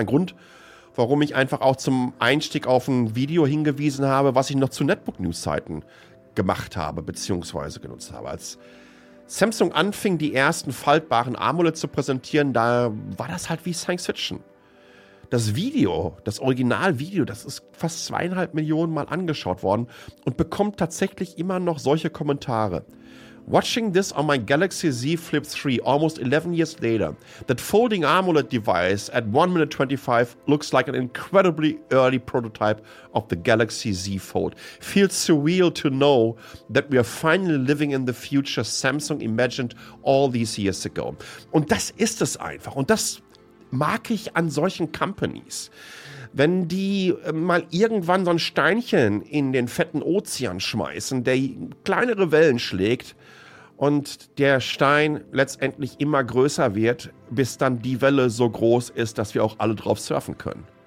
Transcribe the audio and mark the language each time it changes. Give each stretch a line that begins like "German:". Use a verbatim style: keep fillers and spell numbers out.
German: Ein Grund, warum ich einfach auch zum Einstieg auf ein Video hingewiesen habe, was ich noch zu Netbook-News-Zeiten gemacht habe, beziehungsweise genutzt habe. Als Samsung anfing, die ersten faltbaren AMOLED zu präsentieren, da war das halt wie Science Fiction. Das Video, das Originalvideo, das ist fast zweieinhalb Millionen Mal angeschaut worden und bekommt tatsächlich immer noch solche Kommentare.
English: Watching this on my Galaxy Z Flip three almost eleven years later, that folding AMOLED device at one minute twenty-five looks like an incredibly early prototype of the Galaxy Z Fold. Feels surreal to know that we are finally living in the future Samsung imagined all these years ago.
German: Und das ist es einfach. Und das mag ich an solchen Companies. Wenn die äh, mal irgendwann so ein Steinchen in den fetten Ozean schmeißen, der kleinere Wellen schlägt und der Stein letztendlich immer größer wird, bis dann die Welle so groß ist, dass wir auch alle drauf surfen können.